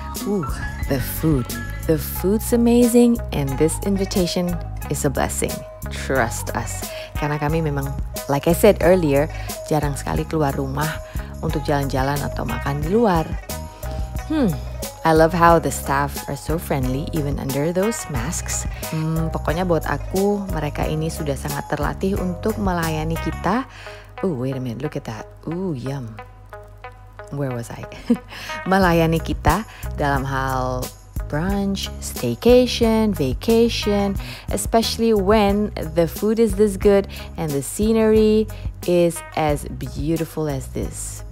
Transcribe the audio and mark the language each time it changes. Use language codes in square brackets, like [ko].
[en] Ooh, the food. The food's amazing and this invitation is a blessing. Trust us. [id] Karena kami memang, [en] like I said earlier, [id] jarang sekali keluar rumah untuk jalan-jalan atau makan di luar. [en] I love how the staff are so friendly even under those masks. [id] Pokoknya buat aku, mereka ini sudah sangat terlatih untuk melayani kita. [en] Oh, wait a minute, look at that. Ooh, yum. Where was I? [id] Melayani kita dalam hal [en] brunch, staycation, vacation, especially when the food is this good and the scenery is as beautiful as this.